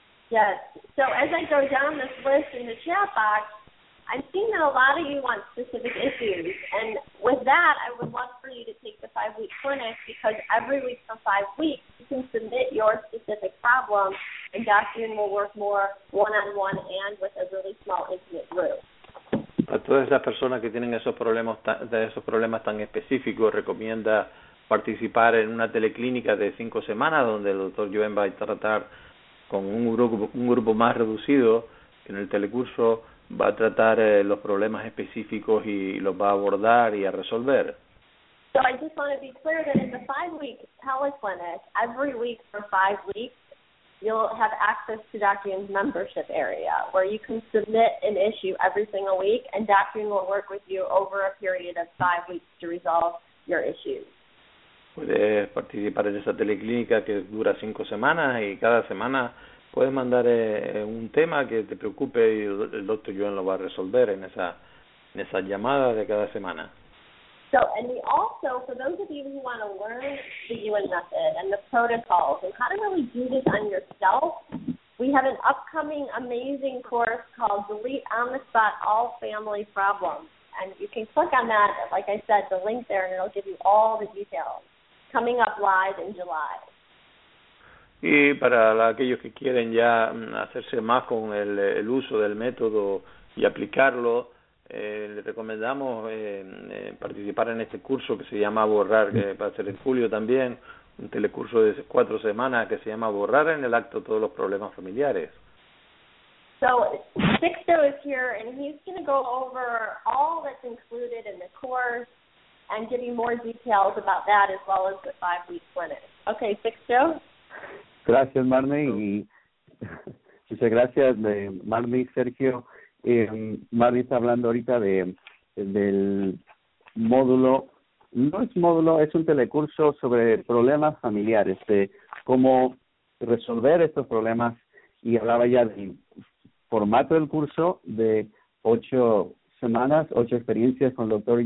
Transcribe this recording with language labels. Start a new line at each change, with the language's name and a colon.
English: Yes. So as I go down this list in the chat box, I've seen that a lot of you want specific issues, and with that, I would love for you to take the 5-week clinic, because every week for 5 weeks, you can submit your specific problem, and Dr. Yun will work more one-on-one and with a really small, intimate group.
Spanish: A todas esas personas que tienen esos problemas tan específicos, recomienda participar en una teleclínica de 5 semanas, donde el Dr. Yun va a tratar con un grupo más reducido que en el telecurso, va a tratar los problemas específicos y los va a abordar y a resolver.
English: So I just want to be clear that in the 5-week teleclinic, every week for 5 weeks, you'll have access to Dr. Yun's membership area, where you can submit an issue every single week, and Dr. Yun will work with you over a period of 5 weeks to resolve your issues.
Spanish: Puedes participar en esa teleclínica que dura 5 semanas y cada semana puedes mandar un tema que te preocupe y el Dr. Yun lo va a resolver en esa llamada de cada semana.
English: So, and we also, for those of you who want to learn the Yun method and the protocols and how to really do this on yourself, we have an upcoming amazing course called Delete on the Spot All Family Problems. And you can click on that, like I said, the link there, and it'll give you all the details. Coming up live in July.
Spanish: Y para aquellos que quieren ya hacerse más con el uso del método y aplicarlo, les recomendamos participar en este curso que se llama Borrar, que va a ser en julio también, un telecurso de 4 semanas que se llama Borrar en el acto todos los problemas familiares.
English: So, Sixto is here, and he's going to go over all that's included in the course and give you more details about that as well as the 5-week clinic. Okay, Sixto?
Spanish: Gracias, Marnie, y muchas gracias, Marnie, Sergio. Marnie está hablando ahorita del módulo, no es módulo, es un telecurso sobre problemas familiares, de cómo resolver estos problemas, y hablaba ya del formato del curso de 8 semanas, 8 experiencias con el Dr.